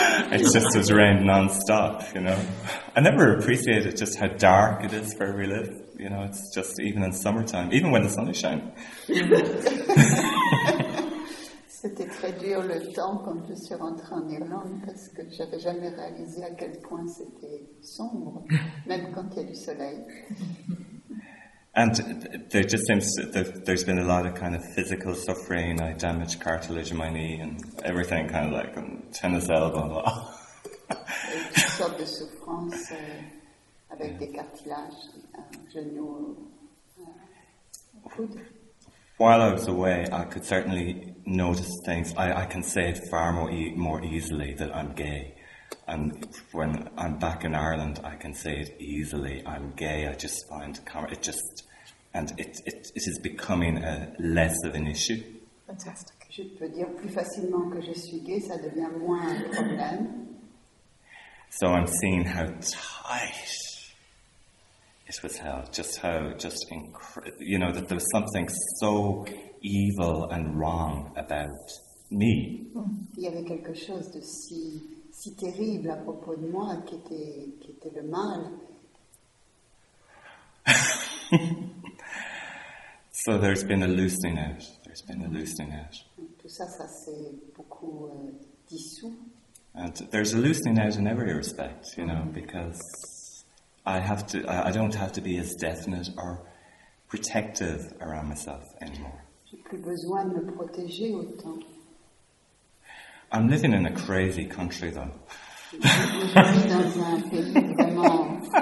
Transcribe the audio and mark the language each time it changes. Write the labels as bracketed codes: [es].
[en] It just has rained non-stop, you know. I never appreciated just how dark it is where we live. You know, it's just even in summertime, even when the sun is shining. [fr] C'était très dur le temps quand je suis rentrée en Irlande parce que j'avais jamais réalisé à quel point c'était sombre, même quand il y a du soleil. [en] And there just seems there's been a lot of kind of physical suffering. I damaged cartilage in my knee and everything, kind of like on tennis elbow. [fr] Et toutes sortes de souffrances avec des cartilages, genoux, coudes. [en] While I was away, I could certainly notice things. I can say it far more easily that I'm gay. And when I'm back in Ireland, I can say it easily. I'm gay. I just find it just, and it is becoming a less of an issue. Fantastic. [fr] Je peux dire plus facilement que je suis gay, ça devient moins un problème. [en] So I'm seeing how tight it was held, that there was something so evil and wrong about me. [fr] Il y avait quelque chose de si terrible à propos de moi qui était le mal. [en] So there's been a loosening out. There's been a loosening out. [fr] Tout ça s'est beaucoup dissous. [en] And there's a loosening out in every respect, you know, because I don't have to be as definite or protective around myself anymore. [fr] J'ai plus besoin de me protéger autant. [en] I'm living in a crazy country, though. [fr] Je vis dans un pays vraiment.